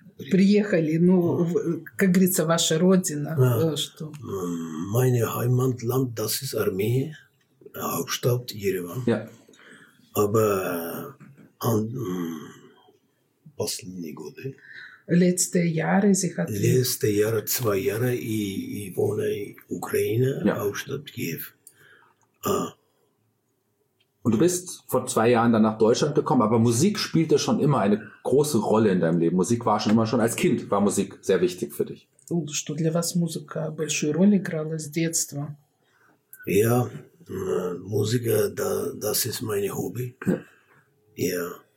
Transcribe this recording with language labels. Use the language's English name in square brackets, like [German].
[Russian] Приехали, ну, как говорится, ваша родина. [German] Mein Heimatland, das ist Armenien. Hauptstadt Jerewan. Ja. Aber an [Russian] последние годы. [German] Letzte Jahre, sie hat. Letzte Jahre, 2 Jahre, ich wohne in Ukraine, Hauptstadt Kiew. Und du bist vor 2 Jahren dann nach Deutschland gekommen, aber Musik spielte schon immer eine große Rolle in deinem Leben. Musik war schon immer schon als Kind, war Musik sehr wichtig für dich. [Russian] Und что для вас музыка большую роль играла с детства? [German] Ja. Musik, das ist mein Hobby. Ja.